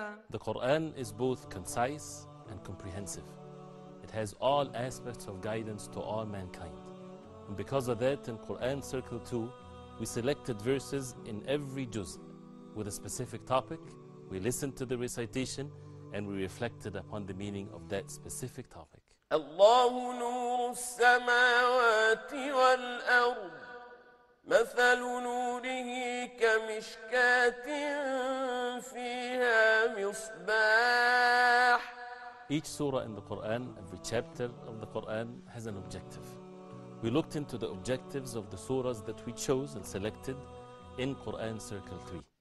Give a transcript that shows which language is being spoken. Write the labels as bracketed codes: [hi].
[en] The Quran is both concise and comprehensive. It has all aspects of guidance to all mankind. And because of that, in Quran Circle 2, we selected verses in every juz with a specific topic. We listened to the recitation and we reflected upon the meaning of that specific topic. [ar] الله نور السماوات والأرض مثل نوره كمشكاة فيها مصباح. [en] Each surah in the Quran, every chapter of the Quran has an objective. We looked into the objectives of the surahs that we chose and selected in Quran Circle 3.